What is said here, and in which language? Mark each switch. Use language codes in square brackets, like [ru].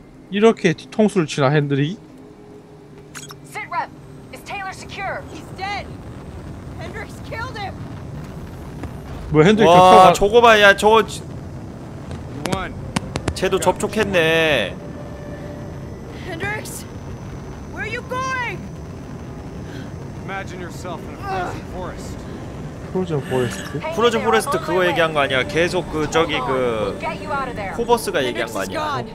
[ko] 이렇게 뒤통수를 치나 핸드릭? [en] Sit rep. Is Taylor secure? He's dead. Hendrix killed him. [ko] 뭐야, 핸드릭 와, 저거 봐, 야, 저 쟤도 접촉했네. [en] Hendrix, where are you going? Imagine yourself in a frozen forest. Frozen forest. Frozen forest. [ko] 그거 얘기한 거 아니야? 계속 그 저기 그 코버스가 얘기한 거 아니야?